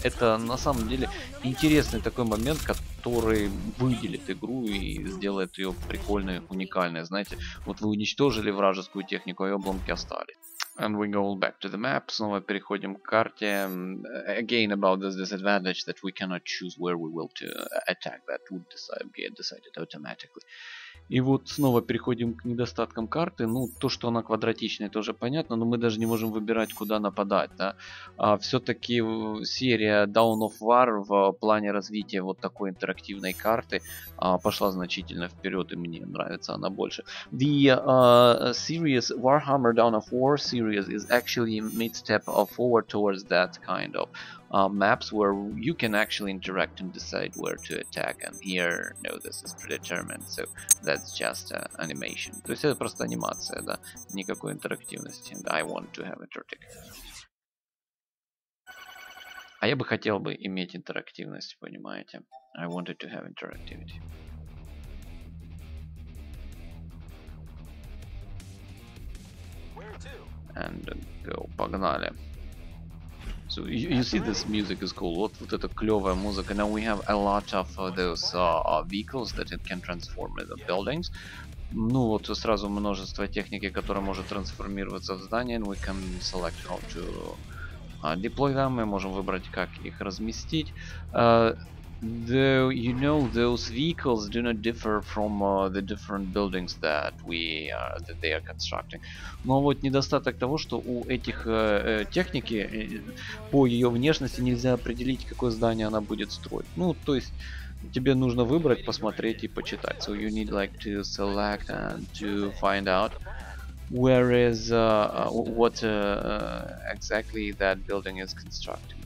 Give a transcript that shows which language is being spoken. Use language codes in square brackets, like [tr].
[ru] Это на самом деле интересный такой момент, который выделит игру и сделает ее прикольной, уникальной. Знаете, вот вы уничтожили вражескую технику, а обломки остались. [en] And we go back to the map. [ru] Снова переходим к карте. [en] Again about this disadvantage that we cannot choose where we will to attack. That would be decided automatically. [ru] И вот снова переходим к недостаткам карты. Ну, то, что она квадратичная, тоже понятно, но мы даже не можем выбирать, куда нападать, да? А все-таки серия Dawn of War в плане развития вот такой интерактивной карты пошла значительно вперед, и мне нравится она больше. [en] The series Warhammer Dawn of War series is actually a mid-step forward towards that kind of maps where you can actually interact and decide where to attack, and here, no, this is predetermined, so that's just animation. [ru] То есть это просто анимация, да, никакой интерактивности. [en] And I want to have interactive. [ru] А я бы хотел бы иметь интерактивность, понимаете? [en] I wanted to have interactivity. And go, [ru] погнали. [en] So you see, this music is cool. [ru] Вот это клевая музыка. [en] Now we have a lot of those vehicles that it can transform into buildings. [ru] Ну вот сразу множество техники, которая может трансформироваться в здание. [en] And we can select how to deploy them. [ru] Мы можем выбрать, как их разместить. [en] Though you know, those vehicles do not differ from the different buildings that that they are constructing. [ru] Но вот недостаток того, что у этих техники по ее внешности нельзя определить, какое здание она будет строить. Ну, то есть тебе нужно выбрать, посмотреть и почитать. [en] So you need like to select and to find out where is what exactly that building is constructing.